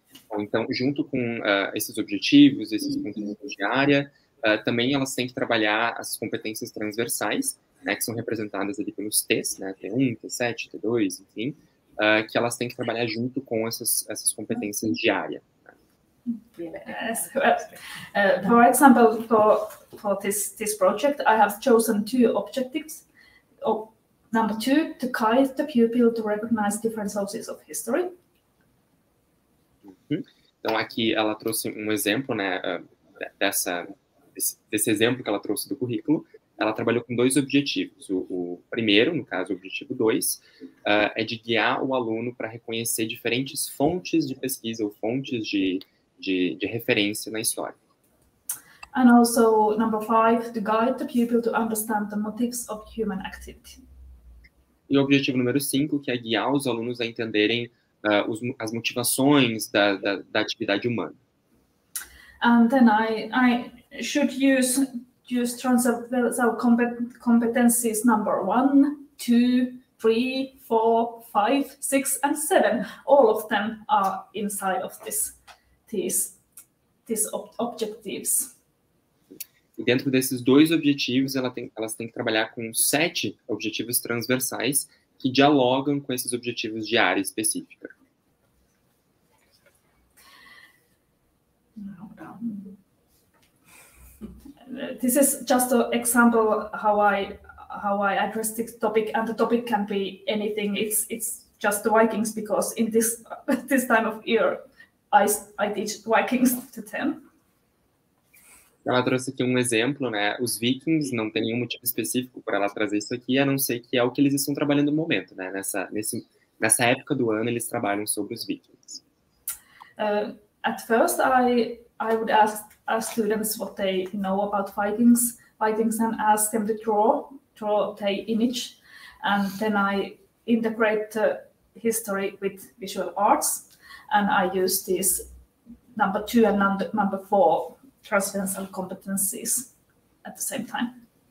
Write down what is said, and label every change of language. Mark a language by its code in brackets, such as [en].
[pt] Bom, então, junto com esses objetivos, esses conteúdos de área, também elas têm que trabalhar as competências transversais, né, que são representadas ali pelos T's, né, T1, T7, T2, enfim, que elas têm que trabalhar junto com essas competências de área. [en] Yes. For example, for this project, I have chosen two objectives. Number two, to guide the pupil to recognize different sources of history. [pt] Então, aqui ela trouxe um exemplo, né, desse exemplo que ela trouxe do currículo. Ela trabalhou com dois objetivos. O primeiro, no caso, o objetivo 2, é de guiar o aluno para reconhecer diferentes fontes de pesquisa ou fontes de referência na história. [en] And also, number 5, to guide the pupil to understand the motives of human activity. [pt] E o objetivo número 5, que é guiar os alunos a entenderem as motivações da atividade humana. [en] And then I should use transversal competencies number 1, 2, 3, 4, 5, 6, and 7. All of them are inside of these objectives. [pt] E dentro desses dois objetivos, elas têm que trabalhar com 7 objetivos transversais que dialogam com esses objetivos de área específica. [en] This is just an example how I address this topic, and the topic can be anything. It's just the Vikings, because in this time of year, I teach Vikings to them. [pt] Ela trouxe aqui um exemplo, né? Os Vikings, não tem nenhum motivo específico para ela trazer isso aqui, a não ser que é o que eles estão trabalhando no momento, né? Nesse Nessa época do ano, eles trabalham sobre os vikings. [en] At first, I would ask our students what they know about Vikings, and ask them to draw their image, and then I integrate the history with visual arts, and I use these number two and number four transversal competencies at the same time.